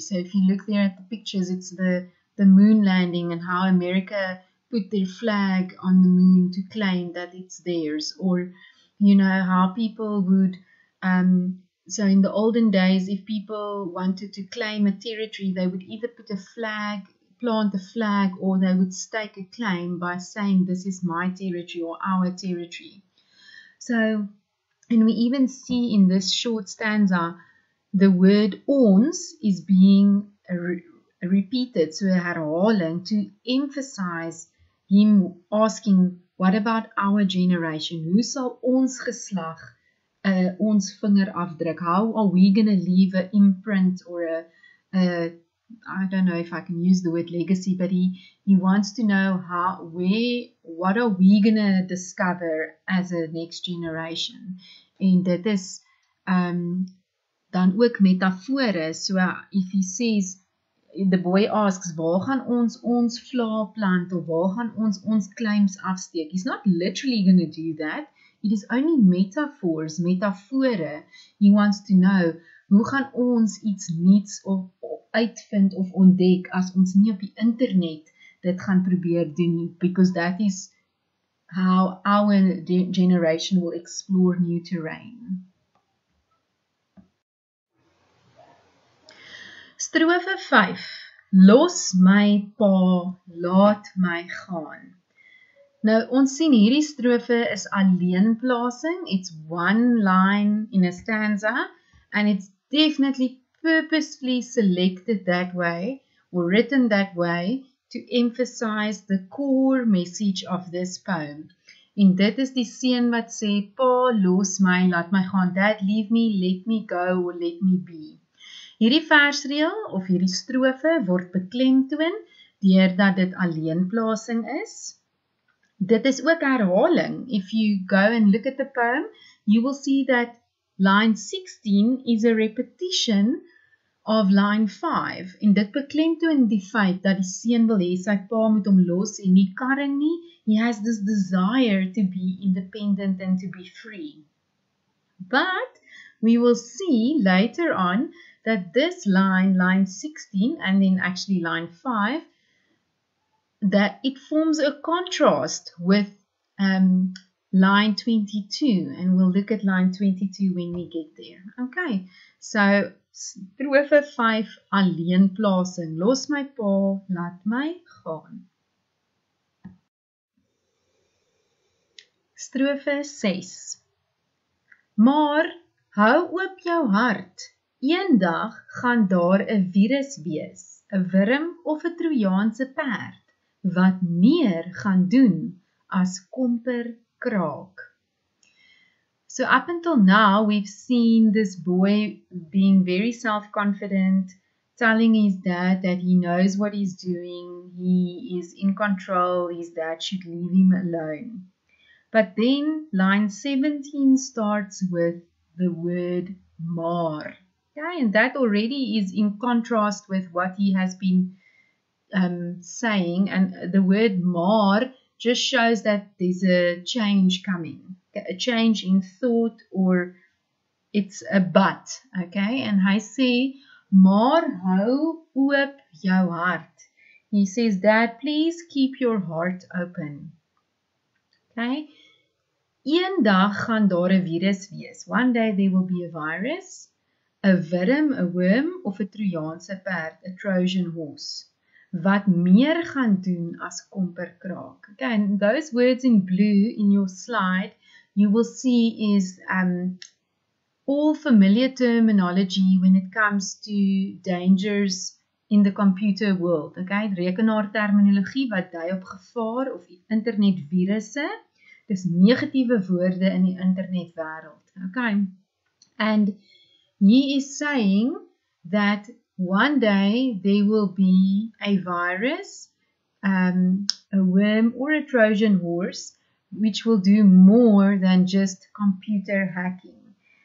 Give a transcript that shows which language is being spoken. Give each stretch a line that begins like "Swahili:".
English: So if you look there at the pictures, it's the moon landing and how America put their flag on the moon to claim that it's theirs, or, you know, how people would, so in the olden days, if people wanted to claim a territory, they would either put a flag, plant a flag, or they would stake a claim by saying, this is my territory or our territory. So, and we even see in this short stanza, the word ons is being repeated, so herhaling, to emphasize him asking, what about our generation?
Afrikaans: Hoe sal ons geslag ons vinger afdruk?
English: How are we going to leave an imprint or I don't know if I can use the word legacy, but he wants to know what are we going to discover as a next generation? And
Afrikaans: dit is dan ook metafore.
English: So if he says, the boy asks,
Afrikaans: waar gaan ons ons vla plant, of waar gaan ons ons claims afsteek?
English: He's not literally going to do that. It is only metaphors, metafore. He wants to know,
Afrikaans: hoe gaan ons iets niets of uitvind of ontdek, as ons nie op die internet dit gaan probeer doen nie?
English: Because that is how our generation will explore new terrain.
Afrikaans: Strofe 5. Los my pa, laat my gaan. Nou, ons sien hierdie strofe is alleenplasing.
English: It's one line in a stanza. And it's definitely purposefully selected that way, or written that way, to emphasize the core message of this poem.
Afrikaans: En dit is die seun wat sê, pa, los my, laat my gaan.
English: Dad, leave me, let me go, or let me be.
Afrikaans: Hierdie versreel of hierdie strofe word beklemtoon deurdat dit alleenplasing is. Dit is ook herhaling.
English: If you go and look at the poem, you will see that line 16 is a repetition of line 5.
Afrikaans: En dit beklemtoon die feit dat die seun wil hê sy pa moet hom los en nie karring nie.
English: He has this desire to be independent and to be free. But we will see later on that this line, line 16, and then actually line 5, that it forms a contrast with line 22. And we'll look at line 22 when we get there. Okay, so strofe 5, alleenplasing.
Afrikaans: Los my pa, laat my gaan. Strofe 6. Maar hou oop jou hart. Eendag gaan daar 'n virus wees, 'n wurm of 'n Trojaanse perd, wat meer gaan doen as komper kraak.
English: So up until now, we've seen this boy being very self-confident, telling his dad that he knows what he's doing, he is in control, his dad should leave him alone. But then line 17 starts with the word maar. Okay, and that already is in contrast with what he has been saying. And the word maar just shows that there's a change coming, a change in thought, or it's a but. Okay, and
Afrikaans: hy sê, maar hou oop jou hart.
English: He says, Dad, please keep your heart open.
Afrikaans: Okay, eendag gaan daar 'n virus wees.
English: One day there will be a virus. A worm,
Afrikaans: of a Trojaanse perd,
English: a Trojan horse.
Afrikaans: wat meer gaan doen as komperkraak.
English: Okay, and those words in blue in your slide, you will see is all familiar terminology when it comes to dangers in the computer world.
Afrikaans: Okay, rekenaar terminologie wat dui op gevaar of internetvirusse. Dis negatiewe woorde in die internetwêreld.
English: Okay. And he is saying that one day there will be a virus, a worm or a Trojan horse, which will do more than just computer hacking.